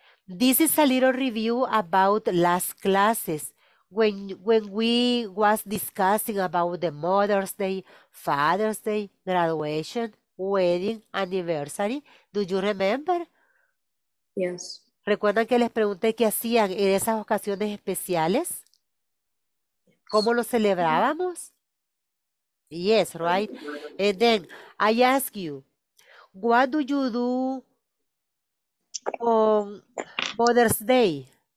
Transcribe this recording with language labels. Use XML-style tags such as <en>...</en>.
<en>This is a little review about last classes. When we was discussing about the Mother's Day, Father's Day, graduation, wedding, anniversary. Do you remember? Yes.</en> <es>¿Recuerdan que les pregunté qué hacían en esas ocasiones especiales? ¿Cómo lo celebrábamos? Yes, right?</es> <en>And then, I ask you, what do you do on Mother's Day?</en>